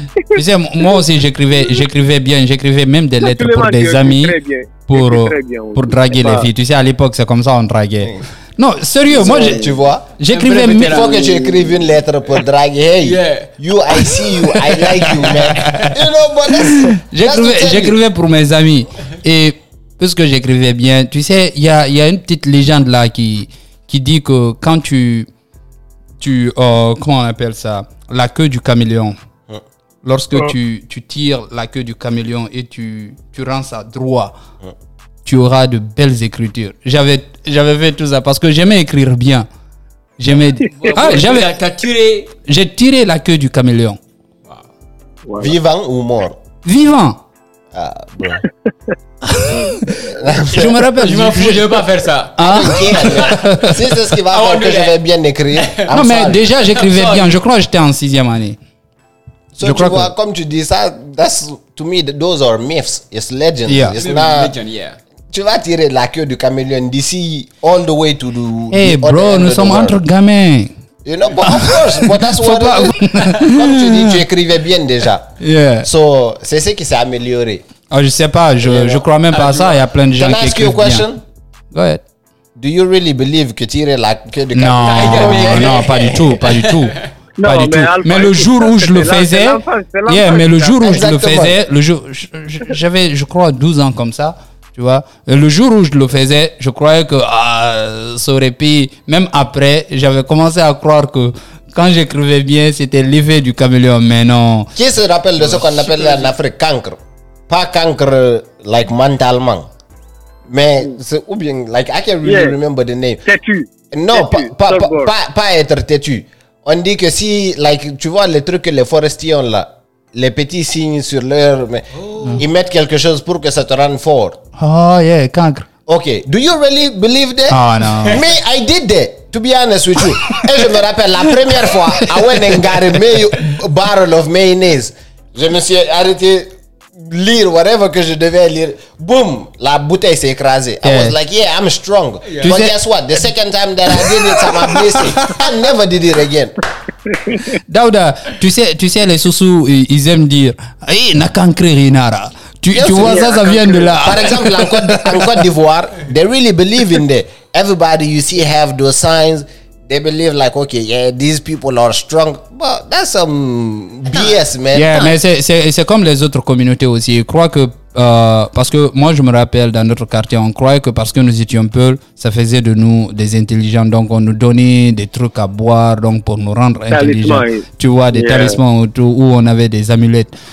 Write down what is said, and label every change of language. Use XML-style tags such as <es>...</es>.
<fr>Tu sais, moi aussi, j'écrivais même des lettres pour des amis, pour draguer les filles. Tu sais, à l'époque, c'est comme ça qu'on draguait. Non, sérieux, moi, tu vois, j'écrivais une fois que j'écrive une lettre pour draguer.</fr> <en>Hey, yeah. You, I see you, I like you, man. You know, but</en> <fr>j'écrivais pour mes amis. Et puisque j'écrivais bien, tu sais, il y a une petite légende là qui dit que quand comment on appelle ça, la queue du caméléon. Lorsque tu tires la queue du caméléon et tu rends ça droit, tu auras de belles écritures. J'avais fait tout ça parce que j'aimais écrire bien. J'ai tiré la queue du caméléon. Wow. Voilà. Vivant ou mort? Vivant. Ah, bon. Je me rappelle. Je m'en fous, je ne veux pas faire ça. Hein? Si c'est ce qui va faire que je vais bien écrire. Non, mais déjà, j'écrivais bien. Je crois que j'étais en sixième année. So je tu crois vois, que... comme tu dis ça,</fr> <en>that's, to me, those are myths. It's legend. Yeah. It's not... legend, yeah.</en> <fr>Tu vas tirer la queue du caméléon d'ici</fr> <en>all the way to the... Hey, the</en> <fr>bro, nous sommes entre gamins.</fr> <en>You know, but of course, but that's what... <it is.</en> <fr>laughs> Comme tu dis, tu écrivais bien déjà.</fr> <en>Yeah.</en> <fr>So, c'est ce qui s'est amélioré. Oh, je sais pas, je crois même pas à ça. Il y a plein de gens qui écrivent bien.</fr> <en>Can I ask you a question? Go ahead. Do you really believe</en> <fr>que tirer la queue du caméléon... Non, non, pas du tout, pas du tout. Non, pas du mais tout. Alpha, mais le jour où je le faisais... Yeah, mais le jour où je le faisais... J'avais, je crois, 12 ans comme ça. Tu vois, le jour où je le faisais, je croyais que ça aurait pu. Même après, j'avais commencé à croire que quand j'écrivais bien, c'était l'effet du caméléon. Mais non. Qui se rappelle de ce qu'on appelle en Afrique cancer? Pas cancer, like mentalement. Mais, ou bien,</fr> <en>like, I can't really remember the name.</en> <fr>Têtu. Non, pas être têtu. On dit que si, like, tu vois, les trucs que les forestiers ont là. Les petits signes sur leur... Mais ils mettent quelque chose pour que ça te rende fort.</fr> <en>Oh yeah, cancre. Ok, do you really believe that?</en> <fr>Oh non.</fr> <en>Me, I did that, to be honest with you.</en> <fr>Et je me rappelle la première fois,</fr> <en>I went and got a barrel of mayonnaise.</en> <fr>Je me suis arrêté lire whatever que je devais lire.</fr> <en>Boom,</en> <fr>la bouteille s'est écrasée.</fr> <en>Yeah. I was like, yeah, I'm strong. Yeah. But guess what? The second time that I did it,</en> <fr>ça m'a blessé.</fr> <en>I never did it again.</en> <fr>Daouda, tu sais les sousous, ils aiment dire eh hey,</fr> <sus>na cancre rinara.</sus> <fr>Tu vois ça vient de là. Par exemple,</fr> <en>en Côte d'Ivoire, they really believe in that. Everybody you see have those signs. They believe like okay, yeah, these people are strong. But that's some BS, man.</en> <fr>Yeah, mais c'est comme les autres communautés aussi. Ils croient que parce que moi je me rappelle dans notre quartier, on croyait que parce que nous étions peuples, ça faisait de nous des intelligents, donc on nous donnait des trucs à boire, donc pour nous rendre intelligents. Talisman. Tu vois, des talismans autour où on avait des amulettes.</fr>